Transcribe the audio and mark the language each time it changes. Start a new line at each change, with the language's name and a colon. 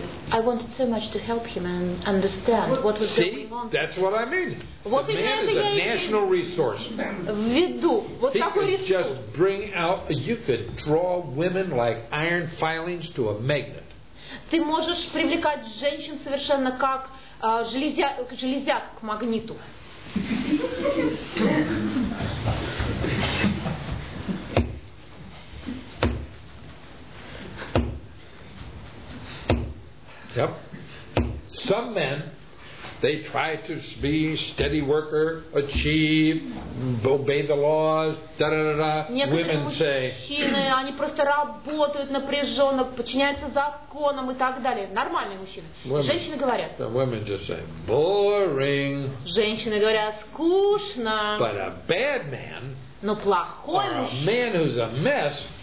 English: I wanted so much to help him and understand what was going on. See, that's what I mean. The man is a national resource. He could just bring out, you could draw women like iron filings to a magnet.
Russian: Ты можешь привлекать женщин совершенно как железяк к магниту.
English: Yep. Some men, they try to be steady worker, achieve, obey the laws, da-da-da-da. Women say,
Russian: мужчины, они просто работают напряженно, подчиняются законам и так далее. Нормальные мужчины.
English: Women,
Russian: женщины говорят.
English: The women just say, boring.
Russian: Женщины говорят, скучно.
English: But a bad man,
Russian: но плохой мужчина,
English: a man who's a mess,